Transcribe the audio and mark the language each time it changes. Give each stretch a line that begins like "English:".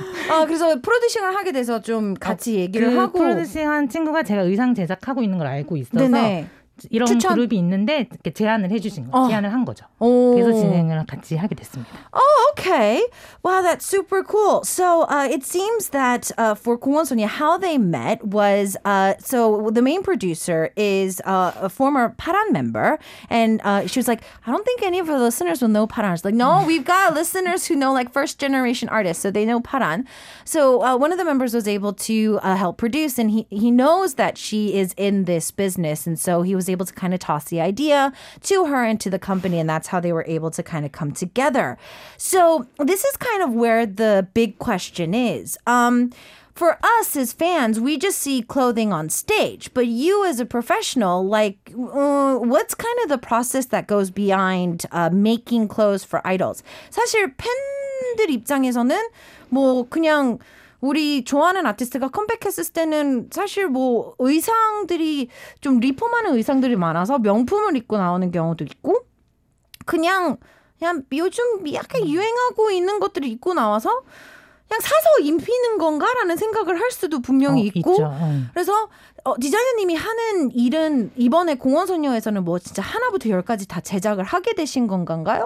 Korean: 아, 그래서 프로듀싱을 하게 돼서 좀 같이 얘기를 그 하고 그 프로듀싱한 친구가 제가 의상 제작하고 있는 걸 알고 있어서. 네네. 이런 추천. 그룹이 있는데 이렇게 제안을 해주신 거, 제안을 한 거죠. 오. 그래서 진행을 같이 하게 됐습니다.
English: Oh, okay. Wow, that's super cool. So it seems that for Ko Won-sonyo, how they met was so the main producer is a former Paran member, and she was like, I don't think any of her listeners will know Paran. She's like, no, we've got listeners who know like first generation artists, so they know Paran. So one of the members was able to help produce, and he knows that she is in this business, and so he was able to kind of toss the idea to her and to the company, and that's how they were able to kind of come together. So this is kind of where the big question is. For us as fans, we just see clothing on stage, but you as a professional, like, what's kind of the process that goes behind making clothes for idols?
Korean: 사실 팬들 입장에서는 뭐 그냥 우리 좋아하는 아티스트가 컴백했을 때는 사실 뭐 의상들이 좀 리폼하는 의상들이 많아서 명품을 입고 나오는 경우도 있고 그냥 그냥 요즘 약간 유행하고 있는 것들을 입고 나와서 그냥 사서 입히는 건가라는 생각을 할 수도 분명히 있고 그래서 디자이너님이 하는 일은 이번에 공원소녀에서는 뭐 진짜 하나부터 열까지 다 제작을 하게 되신 건가요?